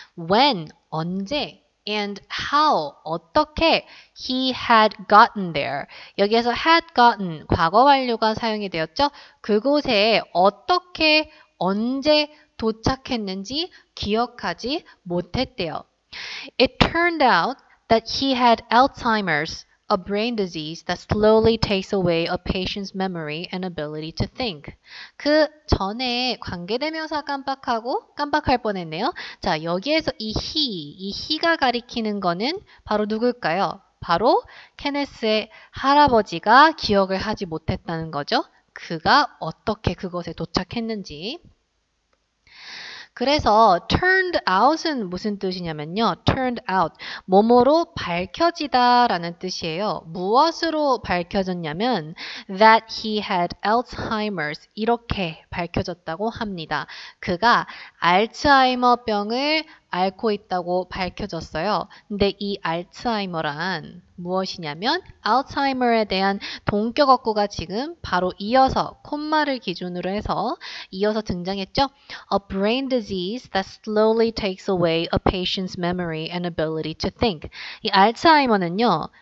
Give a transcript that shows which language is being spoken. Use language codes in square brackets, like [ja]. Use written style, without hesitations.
[en] When, 언제? And how, 어떻게 he had gotten there. [ko] 여기에서 had gotten, 과거 완료가 사용이 되었죠? 그곳에 어떻게, 언제 도착했는지 기억하지 못했대요. [en] It turned out that he had Alzheimer's, a brain disease that slowly takes away a patient's memory and ability to think. [ko] 그 전에 관계대명사 깜빡할 뻔했네요. 자, 여기에서 이 he가 가리키는 거는 바로 누굴까요? 바로 케네스의 할아버지가 기억을 하지 못했다는 거죠. 그가 어떻게 그곳에 도착했는지. 그래서 turned out은 무슨 뜻이냐면요. turned out, 뭐뭐로 밝혀지다라는 뜻이에요. 무엇으로 밝혀졌냐면 [en] that he had Alzheimer's [ko] 이렇게 밝혀졌다고 합니다. 그가 알츠하이머 병을 앓고 있다고 밝혀졌어요. 근데 이 알츠하이머란 무엇이냐면 알츠하이머에 대한 동격 어구가 지금 바로 이어서 콤마를 기준으로 해서 이어서 등장했죠. [en] A brain disease that slowly takes away a patient's memory and ability to think. [ko] 이 알츠하이머는요,